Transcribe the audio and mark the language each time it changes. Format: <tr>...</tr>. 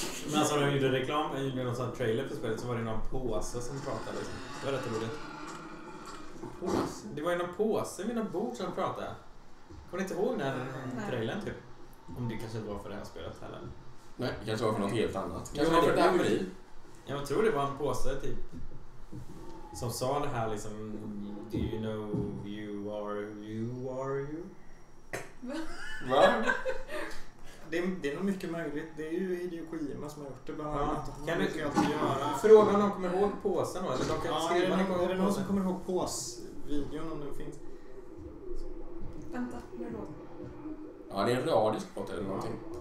<sv>Men alltså när du gjorde reklam, när du gjorde någon sån trailer för spelet, så var det någon påse som pratade. Det var rätt roligt. Det var ju någon påse med någon bord som pratade. Kommer ni inte ihåg när trailern typ? Om det kanske var för det här spelet heller. Nej, det kanske var för något helt annat. Kanske var det där. Jag tror det var en påse typ. Som sa det här liksom,</sv> <en>do you know you are you are you?</en> <sv>Va? Det är nog mycket möjligt. Det är ju Hideo Kojima som har gjort det. Bara kan du fråga om de kommer ihåg påsen då? Eller de kan skriva är det någon påsen? Som kommer ihåg påsvideon om den finns? Vänta, nu då. Ja, det är en radisk pot eller någonting.</sv>